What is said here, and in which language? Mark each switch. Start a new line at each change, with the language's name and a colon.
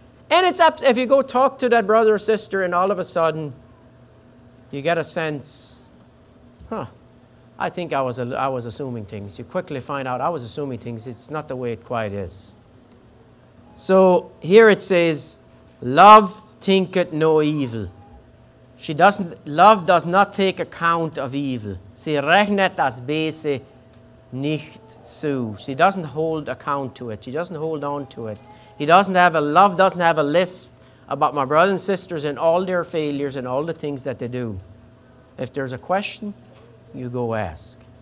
English: And it's up, if you go talk to that brother or sister and all of a sudden you get a sense, I think I was assuming things. You quickly find out I was assuming things. It's not the way it quite is. So here it says, love thinketh no evil. Love does not take account of evil.
German: Sie rechnet das Böse nicht zu.
English: She doesn't hold account to it. She doesn't hold on to it. Love doesn't have a list about my brothers and sisters and all their failures and all the things that they do. If there's a question, you go ask.